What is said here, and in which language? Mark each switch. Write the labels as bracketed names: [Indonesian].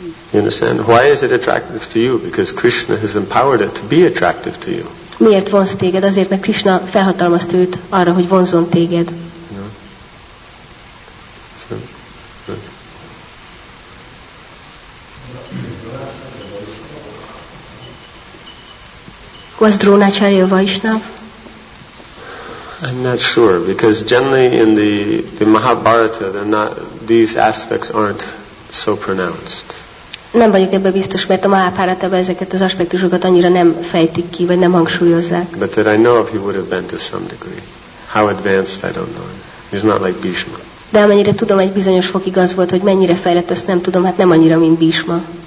[English] You understand? Why is it attractive to you? Because Krishna has empowered it to be attractive to you. [Hungarian] Miért vonz téged? Azért, mert Krishna felhatalmazta őt arra, hogy vonzon téged. [English] Was Dronacharya Vaishnava? I'm not sure, because generally in the Mahabharata, they're not, these aspects aren't so pronounced. [Hungarian] Nem vagyok ebben biztos, mert a Mahabharatában ezeket az aspektusokat annyira nem fejtik ki, vagy nem hangsúlyozzák. [English] But that I know of, he would have been to some degree. How advanced, I don't know. He's not like Bhishma. [Hungarian] De amennyire tudom, egy bizonyos fokig az volt, hogy mennyire fejlett, ezt nem tudom, hát nem annyira, mint Bhishma.